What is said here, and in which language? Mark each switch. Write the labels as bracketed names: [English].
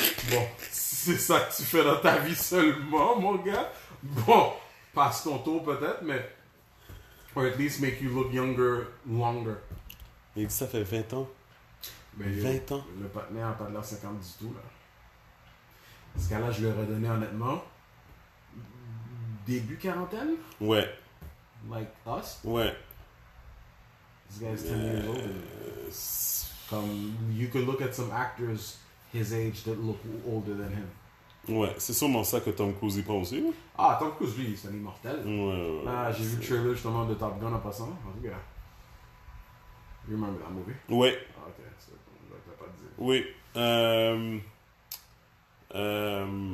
[French] Bon, c'est ça que tu fais dans ta vie seulement, mon gars. Bon, passe ton tour peut-être, mais. [English] Or at least make you look younger longer. [French] Il dit ça fait 20 ans. Mais 20 ans. Le partenaire n'a pas de l'air 50 du tout, là. Ce gars-là, je lui ai redonné honnêtement. Début quarantaine? Ouais. [English] Like us? [French] Ouais. [English] This guy is 10 years old. Comme, you could look at some actors his age that look older than him. [French] Ouais, c'est sûrement ça que Tom Cruise y prend aussi. Ah, Tom Cruise, lui, c'est un immortel. Ouais, ouais. Ah, j'ai vu le trailer justement de Top Gun en passant. En tout cas. [English] You remember that movie? [French] Ouais. Ah, ok, c'est bon, je vais pas te dire.